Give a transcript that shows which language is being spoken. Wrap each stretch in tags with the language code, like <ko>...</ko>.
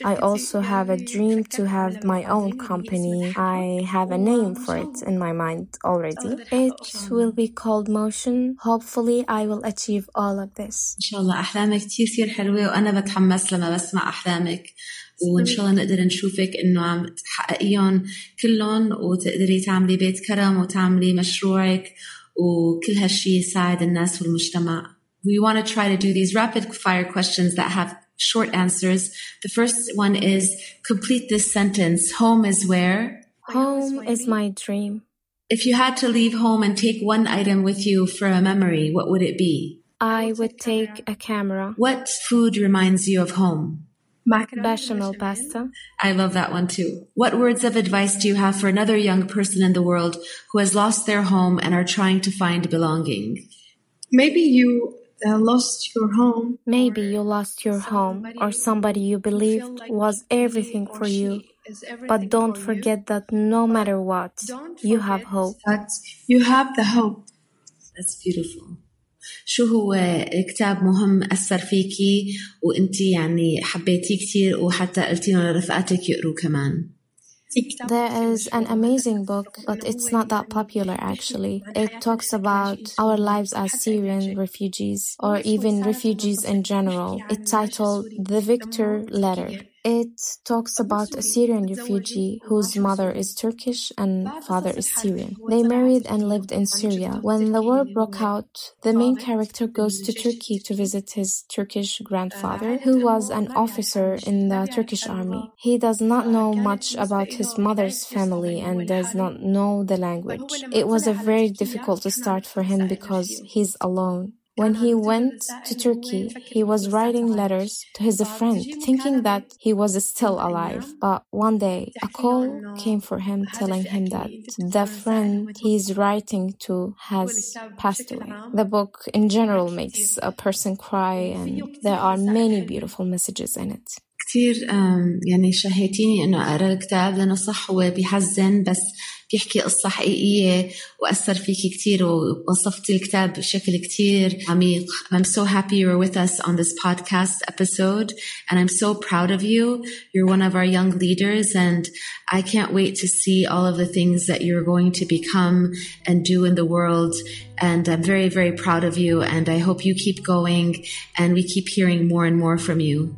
<en>I also have a dream to have my own company. I have a name for it in my mind already. It will be called Motion. Hopefully, I will achieve all of this. Inshallah, your dreams are very beautiful, and I'm excited when I listen to your dreams.</en> <ar>وإنشالله نقدر نشوفك إنه عم تحققيهم كلهم وتقدري تعملي بيت كرم وتعملي مشروعك وكل هالشي يساعد الناس والمجتمع.</ar> <en>We want to try to do these rapid fire questions that have short answers. The first one is complete this sentence. Home is where? Home is my dream. If you had to leave home and take one item with you for a memory, what would it be? I would take a camera. What food reminds you of home? Bechamel pasta. I love that one too. What words of advice do you have for another young person in the world who has lost their home and are trying to find belonging? Maybe you lost your home or somebody you believed was everything for you. But don't forget that no matter what, you have hope. But you have the hope. That's beautiful.</en> <ar>شو هو الكتاب مهم أثر فيكي وإنتي يعني حبيتي كتير وحتى قلتينه لرفقاتك يقروا كمان؟</ar> <en>There is an amazing book, but it's not that popular, actually. It talks about our lives as Syrian refugees, or even refugees in general. It's titled The Victor Letter. It talks about a Syrian refugee whose mother is Turkish and father is Syrian. They married and lived in Syria. When the war broke out, the main character goes to Turkey to visit his Turkish grandfather, who was an officer in the Turkish army. He does not know much about his mother's family and does not know the language. It was a very difficult start for him because he's alone. When he went to Turkey, he was writing letters to his friend, thinking that he was still alive. But one day, a call came for him telling him that the friend he's writing to has passed away. The book in general makes a person cry, and there are many beautiful messages in it.</en> <ar>كثير يعني شهيتيني انه اقرا الكتاب لانه صح هو بيحزن بس بيحكي قصه حقيقيه واثر فيكي كثير ووصفتي الكتاب بشكل كثير عميق.</ar> <en>I'm so happy you're with us on this podcast episode and I'm so proud of you. You're one of our young leaders and I can't wait to see all of the things that you're going to become and do in the world. And I'm very, very proud of you. And I hope you keep going and we keep hearing more and more from you.</en>